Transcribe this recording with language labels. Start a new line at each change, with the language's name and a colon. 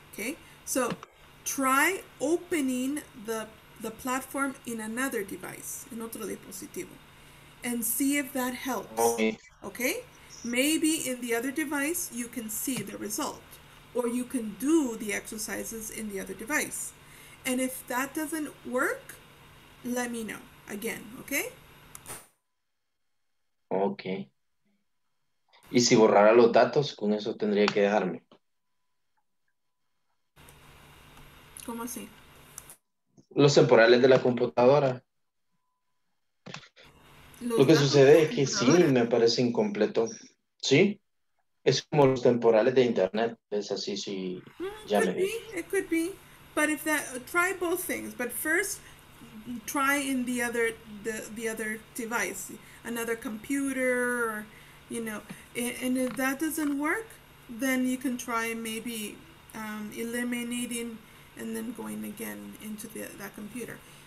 English: Okay, so try opening the platform in another device,
Spanish: en otro dispositivo,
English: and see if that helps. Okay, okay? Maybe in the other device you can see the result. Or you can do the exercises in the other device. And if that doesn't work, let me know again, okay? Okay.
Spanish: ¿Y si borrara los datos, con eso tendría que dejarme? ¿Cómo así? Los temporales de la computadora. Lo que sucede es que sí, me parece incompleto. ¿Sí? Es como los temporales de internet, es así, si ya me dije.
English: It could be, but if that, try both things, but first try in the other device, another computer, or, you know, and if that doesn't work, then you can try maybe eliminating and then going again into that computer.